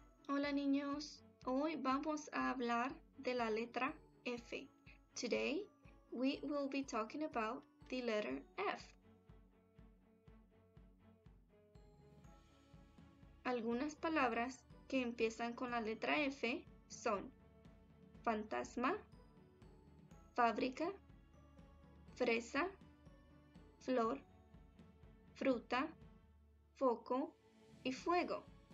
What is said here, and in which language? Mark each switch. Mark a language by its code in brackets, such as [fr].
[es] Hola niños, hoy vamos a hablar de la letra F. [en] Today, we will be talking about the letter F. [es] Algunas palabras que empiezan con la letra F son fantasma, fábrica, fresa, flor, fruta, foco y fuego.